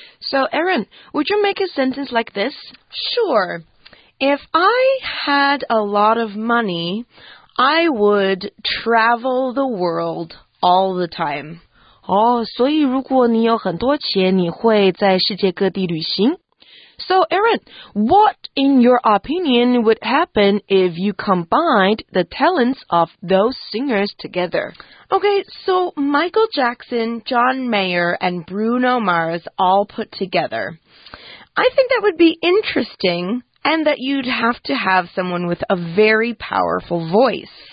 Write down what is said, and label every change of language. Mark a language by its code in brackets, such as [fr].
[en] So, Erin, would you make a sentence like this? Sure. If I had a lot of money, I would travel the world all the time. [zh] 哦，所以如果你有很多钱，你会在世界各地旅行。 [en] So, Aaron, what, in your opinion, would happen if you combined the talents of those singers together? Okay, so Michael Jackson, John Mayer, and Bruno Mars all put together. I think that would be interesting, and that you'd have to have someone with a very powerful voice.